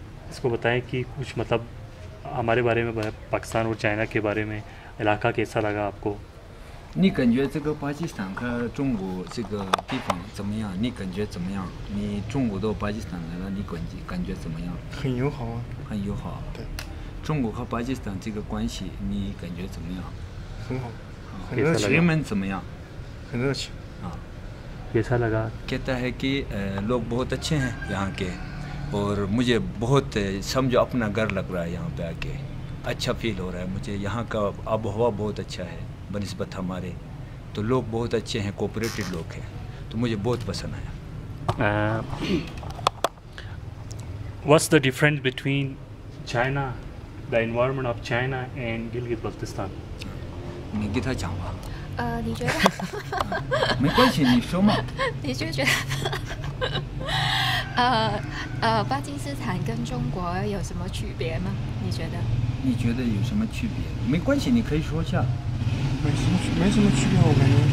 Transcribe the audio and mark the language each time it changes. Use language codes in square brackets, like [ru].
[hi] इसको बताएं कि कुछ मतलब हमारे बारे में पाकिस्तान और चाइना के बारे में इलाका कैसा लगा आपको? [zh] 你感觉这个巴基斯坦和中国这个地方怎么样？你感觉怎么样？你中国到巴基斯坦来了，你感觉怎么样？很友好啊。很友好。对。中国和巴基斯坦这个关系，你感觉怎么样？很好。很热情。人们怎么样？很热情。啊。 [hi] ये सा लगा कहता है कि लोग बहुत अच्छे हैं यहाँ के और मुझे बहुत समझो अपना घर लग रहा है यहाँ पे आके अच्छा फील हो रहा है मुझे यहाँ का आबोहवा बहुत अच्छा है बनिस्बत हमारे तो लोग बहुत अच्छे हैं कोऑपरेटिव लोग हैं तो मुझे बहुत पसंद आया [en] What's the difference between China, the environment of China and Gilgit Baltistan? [zh] 你给他讲吧。你觉得？没关系，你说嘛。你就觉得，巴基斯坦跟中国有什么区别吗？你觉得？你觉得有什么区别？没关系，你可以说一下。没什么区别，我感觉。